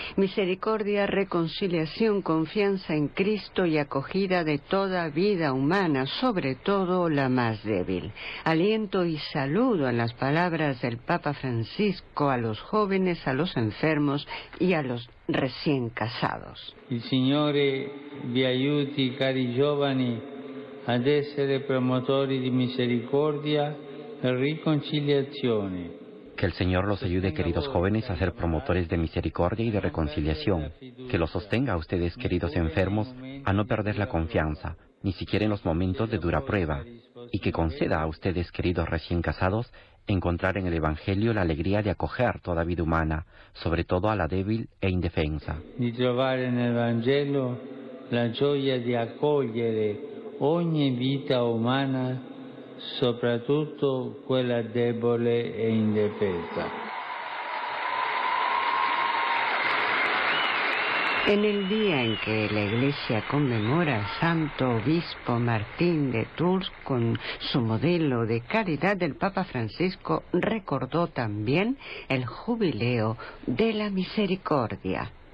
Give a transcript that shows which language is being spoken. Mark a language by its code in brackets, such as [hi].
[es] Misericordia, reconciliación, confianza en Cristo y acogida de toda vida humana, sobre todo la más débil. Aliento y saludo en las palabras del Papa Francisco a los jóvenes, a los enfermos y a los recién casados. [it] El Señor vi aiuti, cari giovani, ad essere promotori di misericordia e riconciliazione. [es] Que el Señor los ayude, queridos jóvenes, a ser promotores de misericordia y de reconciliación. Que los sostenga a ustedes, queridos enfermos, a no perder la confianza, ni siquiera en los momentos de dura prueba. Y que conceda a ustedes, queridos recién casados, encontrar en el Evangelio la alegría de acoger toda vida humana, sobre todo a la débil e indefensa. [it] Di trovare en el Evangelio la gioia di accogliere ogni vita umana, soprattutto quella debole e indefensa. [es] En el día en que la Iglesia conmemora a Santo Obispo Martín de Tours con su modelo de caridad, el Papa Francisco recordó también el jubileo de la misericordia.